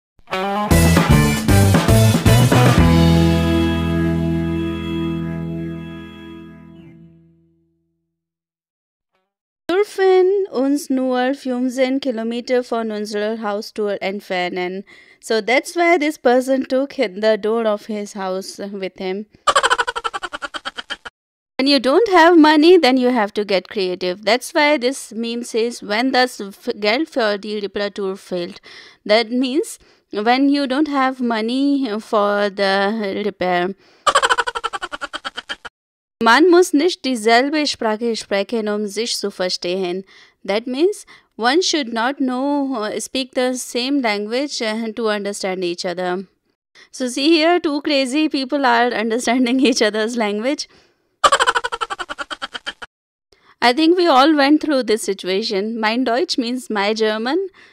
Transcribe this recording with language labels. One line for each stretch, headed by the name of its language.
German: Dürfen uns nur 15 Kilometer von unserer Haustür entfernen.
English: So that's why this person took the door of his house with him. When you don't have money, then you have to get creative. That's why this meme says, when
German: das Geld für die Reparatur fehlt.
English: That means, when you don't have money for the repair.
German: Man muss nicht dieselbe Sprache sprechen, sich zu verstehen.
English: That means, one should not know, speak the same language to understand each other. So see here, two crazy people are understanding each other's language. I think we all went through this situation. Mein Deutsch means my German.